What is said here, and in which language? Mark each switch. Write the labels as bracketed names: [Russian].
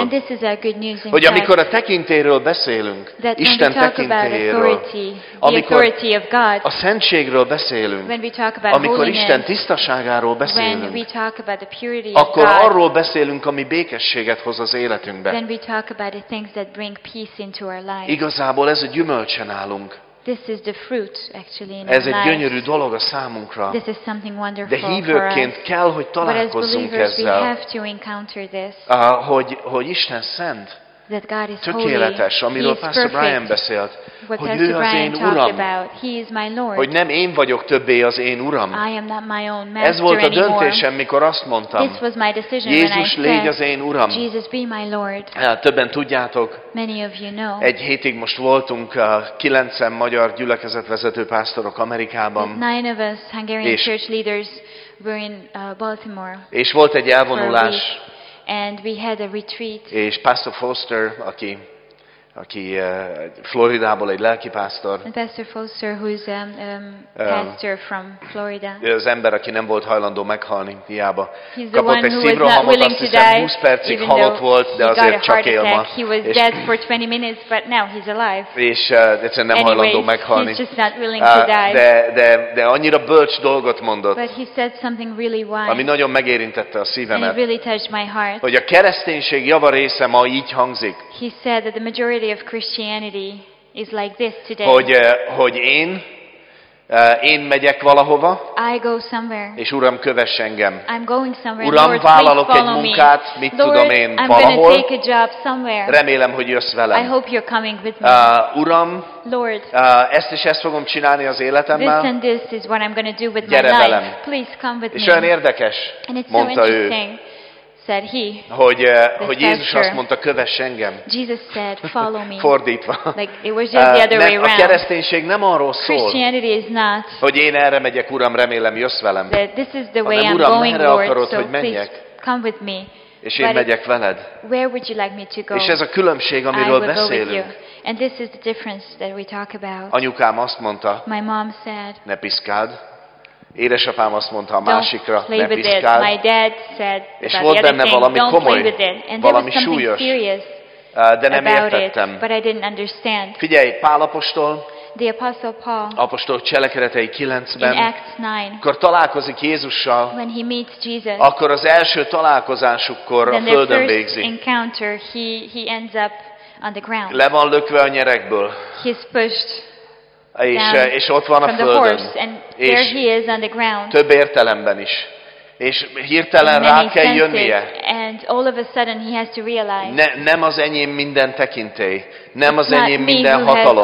[English] and this is our good news, [Hungarian] hogy fact, amikor a tekintélyről beszélünk, Isten tekintélyéről, amikor [English] God, [Hungarian] a szentségről beszélünk, [English] when we talk about [Hungarian] amikor [English] holiness, [Hungarian] Isten tisztaságáról beszélünk, [English] when we talk about the purity [Hungarian] akkor [English] of God, [Hungarian] arról beszélünk, ami békességet hoz az életünkbe. [English] Then we talk about the things that bring peace into our life. [Hungarian] Igazából ez a gyümölcse nálunk. [English] This is the fruit, actually, in [Hungarian] ez egy gyönyörű dolog a számunkra. [English] This is something wonderful. [Hungarian] De hívőként kell, hogy találkozzunk [English] but as believers, [Hungarian] ezzel. [English] We have to encounter this. [Hungarian] Hogy Isten szent. [English] that God is [Hungarian] tökéletes, [English] holy, [Hungarian] amiről Pastor [English] perfect, [Hungarian] Brian beszélt, hogy ő az én Uram. Hogy nem én vagyok többé az én Uram. [English] I am not my own master. [Hungarian] Ez volt a döntésem, mikor azt mondtam, [English] this was my decision, [Hungarian] Jézus, [English] when I [Hungarian] légy [English] said, [Hungarian] az én Uram. [English] Jesus, be my Lord. [Hungarian] Többen tudjátok, [English] many of you know, [Hungarian] egy hétig most voltunk 9 magyar gyülekezetvezető pásztorok Amerikában. [English] Nine of us Hungarian church leaders were in Baltimore. [Hungarian] És volt egy elvonulás. [English] And we had a retreat. [Hungarian] És Pastor Foster, aki Floridából egy lelkipásztor. [English] And Pastor Foster, who is pastor from Florida. [Hungarian] Az ember, aki nem volt hajlandó meghalni, hiába. [English] He's [Hungarian] kapott [English] the one who was not willing to die. [Hungarian] 20 percig halott volt, de azért csak él ma. [English] He was dead for 20 minutes, but now he's alive. [Hungarian] És egyszerűen nem hajlandó meghalni. [English] He's just not willing to die. [Hungarian] De annyira bölcs dolgot mondott. [English] But he said something really wise. [Hungarian] Ami nagyon megérintette a szívemet. [English] And it really touched my heart. [Hungarian] Hogy a kereszténység java része ma így hangzik. [English] He said that the majority of Christianity is like this today. [Hungarian] Hogy én megyek valahova. [English] I go somewhere. [Hungarian] És Uram, kövess engem. [English] I'm going somewhere. [Hungarian] Uram, [English] Lord, [Hungarian] vállalok [English] please [Hungarian] egy munkát, mit [English] Lord, [Hungarian] tudom én, [English] I'm [Hungarian] valahol. [English] Gonna take a job somewhere. [Hungarian] Remélem, hogy jössz velem. [English] I hope you're coming with me. [Hungarian] Uram, [English] Lord, [Hungarian] ezt és ezt fogom csinálni az életemmel. [English] This and this is what I'm gonna do with [Hungarian] gyere [English] my [Hungarian] velem. [English] Life. Please come with [Hungarian] és [English] me. [Hungarian] Olyan érdekes, [English] and it's [Hungarian] mondta [English] so interesting. [Hungarian] Ő. [English] Said he, [Hungarian] hogy Jézus azt mondta, kövess engem. [English] Jesus said, follow me. [Hungarian] Fordítva. [English] Like it was just the other way around. [Hungarian] A kereszténység nem arról szól. [English] Christianity is not. [Hungarian] Hogy én erre megyek, Uram, remélem jössz velem. [English] That this is the way [Hungarian] Uram, [English] I'm going, [Hungarian] akarod, [English] Lord, so please come with me. [Hungarian] És én megyek veled. [English] Where would you like me to go? [Hungarian] És ez a különbség, amiről beszélünk. [English] And this is the difference that we talk about. [Hungarian] Anyukám azt mondta. [English] My mom said. [Hungarian] Ne piszkáld. Édesapám azt mondta a másikra, ne piszkáld. [English] My dad said, [Hungarian] és volt benne [English] thing, [Hungarian] valami komoly, [English] with it. And [Hungarian] valami súlyos, de nem értettem. [English] It, but I didn't understand. [Hungarian] Figyelj, Pál apostol, [English] the Apostle Paul, [Hungarian] apostol cselekedetei 9-ben, [English] in Acts 9, [Hungarian] akkor találkozik Jézussal, [English] when he meets Jesus, [Hungarian] akkor az első találkozásukkor a földön végzi. [English] Encounter, he ends up on the ground. [Hungarian] Le van lökve a nyerekből. [English] He's pushed. [Hungarian] És ott van a földön. És több értelemben is. És hirtelen rá kell jönnie. [English] And all of a sudden he has to realize, [Hungarian] nem az enyém minden tekintély. Nem az enyém minden hatalom.